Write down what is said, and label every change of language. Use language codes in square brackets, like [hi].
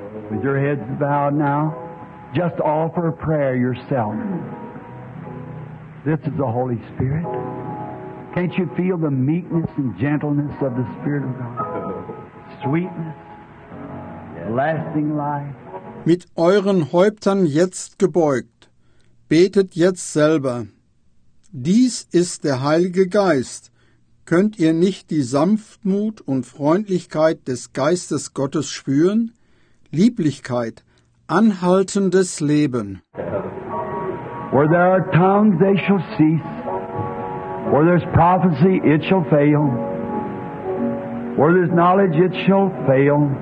[en] With your heads bowed now, just offer a prayer yourself. This is the Holy Spirit. Can't you feel the meekness and gentleness of the Spirit of God? Sweetness, lasting life. [de] Mit euren Häuptern jetzt gebeugt, betet jetzt selber. Dies ist der Heilige Geist. Könnt ihr nicht die Sanftmut und Freundlichkeit des Geistes Gottes spüren? Lieblichkeit, anhaltendes Leben. [en] Where there are tongues, they shall cease. Where there's prophecy, it shall fail. Where there's knowledge, it shall fail.